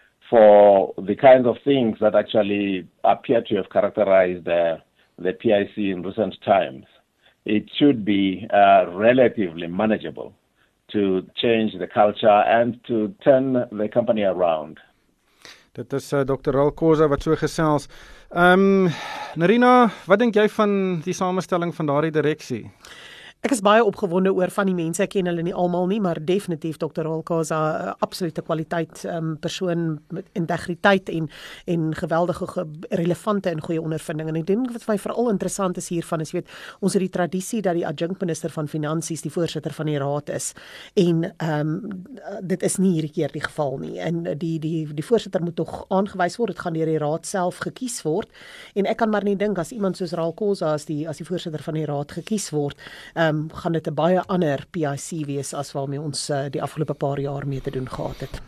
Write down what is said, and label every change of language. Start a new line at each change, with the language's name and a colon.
English: for the kinds of things that actually appear to have characterized the PIC in recent times. It should be relatively manageable to change the culture and to turn the company around.
Afrikaans: Dit is Dr. Ralph Khoza wat so gesels. Narina, wat dink jy van die samenstelling van daardie direksie? Ek is baie opgewonde oor van die mense, ek ken hulle nie almal nie, maar definitief Dr. Holkaza, absolute kwaliteit persoon met integriteit en geweldige relevante en goeie ondervinding. En ek denk wat my veral interessant is hiervan, is weet, ons het die traditie dat die adjunct minister van finansies die voorsitter van die raad is, en dit is nie hierdie keer die geval nie, en die voorsitter moet toch aangewys word, het gaan deur die raad self gekies word, en ek kan maar nie dink, as iemand soos Ralkoza as die voorsitter van die raad gekies word, gaan dit 'n baie ander PIC wees as waarmee ons die afgelope paar jaar mee te doen gehad het.